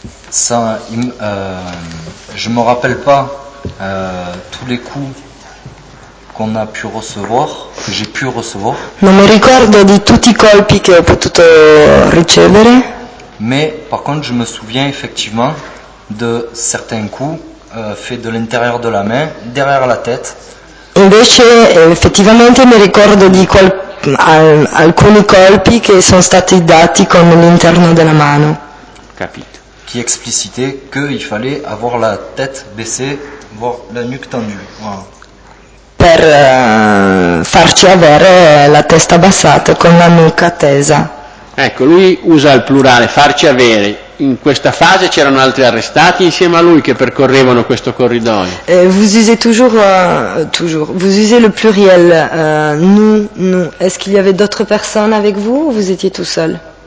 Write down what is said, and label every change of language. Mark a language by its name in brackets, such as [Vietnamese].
[French] Je me rappelle pas tous les coups qu'on a pu recevoir, que j'ai pu recevoir. [Italian] Non mi ricordo di tutti i colpi che ho potuto ricevere. [French] Mais par contre, je me souviens effectivement de certains coups faits de l'intérieur de la main, derrière la tête. [Italian] Invece, effettivamente, mi ricordo di alcuni colpi che sono stati dati con l'interno della mano. Capito. [French] Qui explicitait qu'il fallait avoir la tête baissée, voire la nuque tendue. Voilà. [Italian] Per farci avere la testa abbassata con la nuca tesa. Ecco, lui usa il plurale, farci avere. in questa fase c'erano altri arrestati insieme a lui che percorrevano questo corridoio. [French] Vous usez toujours, toujours, vous usez le pluriel, nous. Est-ce qu'il y avait d'autres personnes avec vous ou vous étiez tout seul?